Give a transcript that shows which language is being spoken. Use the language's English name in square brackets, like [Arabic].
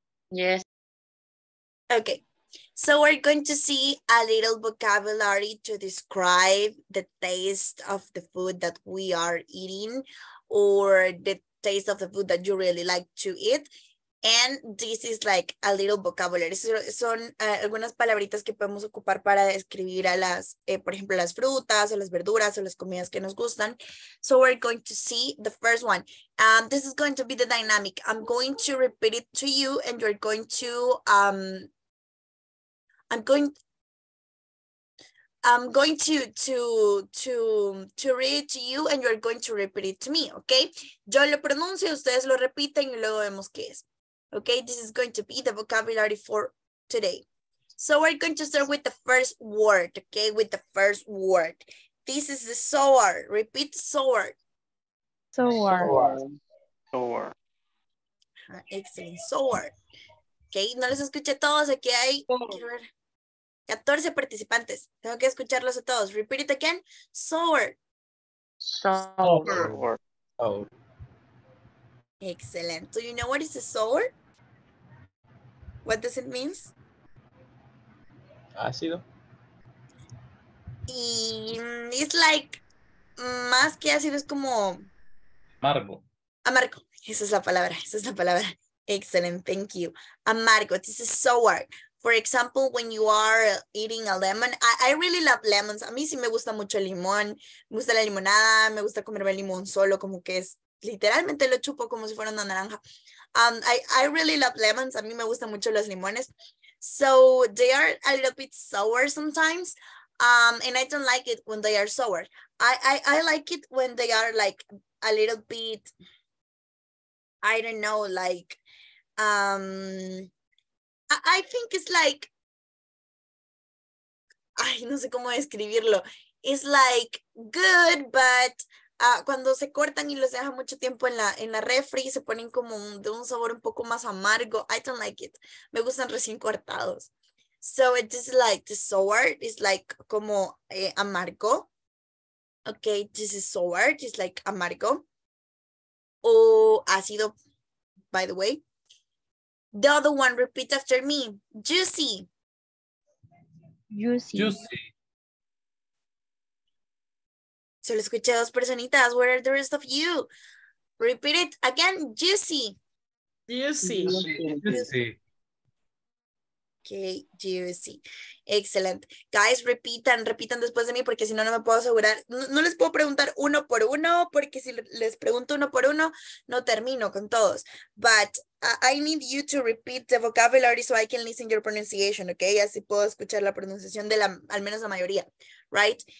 [English] Yes. Okay. So we're going to see a little vocabulary to describe the taste of the food that we are eating or the taste of the food that you really like to eat. And this is like a little vocabulary. [Spanish] Son algunas palabritas que podemos ocupar para describir a las, por ejemplo, las frutas o las verduras o las comidas que nos gustan. [English] So we're going to see the first one. This is going to be the dynamic. I'm going to repeat it to you and you're going to... I'm going to read it to you and you're going to repeat it to me, okay? [Spanish] Yo lo pronuncio, ustedes lo repiten y luego vemos qué es. [English] Okay, this is going to be the vocabulary for today. So we're going to start with the first word, okay? With the first word. This is the sour. Repeat sour. Sour. Sour. [Spanish] Excellent. Sour. Okay, no les escuché todos, aquí hay... 14 participantes. Tengo que escucharlos a todos. [English] Repeat it again. [Spanish] Sour. [English] Sour. Sour. Oh. Excellent. Do you know what is a sour? What does it mean? [Spanish] Ácido. Y [English] it's like, [Spanish] más que ácido, es como... Amargo. Amargo. Esa es la palabra. Esa es la palabra. [English] Excellent. Thank you. [Spanish] Amargo. [English] This is sour. For example, when you are eating a lemon, I really love lemons. [Spanish] A mí sí me gusta mucho el limón. Me gusta la limonada. Me gusta comerme el limón solo, como que es... Literalmente lo chupo como si fuera una naranja. [English] I really love lemons. [Spanish] A mí me gustan mucho los limones. [English] So they are a little bit sour sometimes. And I don't like it when they are sour. I like it when they are like a little bit, I don't know, like, I think it's like, [Spanish] ay, no sé cómo describirlo. [English] It's like good, but... [Spanish] cuando se cortan y los dejan mucho tiempo en la refri, se ponen como de un sabor un poco más amargo. [English] I don't like it. [Spanish] Me gustan recién cortados. [English] So it is like the sour. It's like [Spanish] como amargo. [English] Okay, this is sour. It's like amargo. O ácido, by the way. The other one, repeat after me. Juicy. Juicy. Juicy. [Spanish] Solo escuché dos personitas. [English] Where are the rest of you? Repeat it again. [Spanish] Juicy. [English] Juicy. Juicy. Okay, juicy. Excellent. Guys, repitan. [Spanish] Repitan después de mí porque si no, no me puedo asegurar. No les puedo preguntar uno por uno porque si les pregunto uno por uno, no termino con todos. [English] But I need you to repeat the vocabulary so I can listen your pronunciation, okay? [Spanish] Así puedo escuchar la pronunciación de la, al menos la mayoría, right?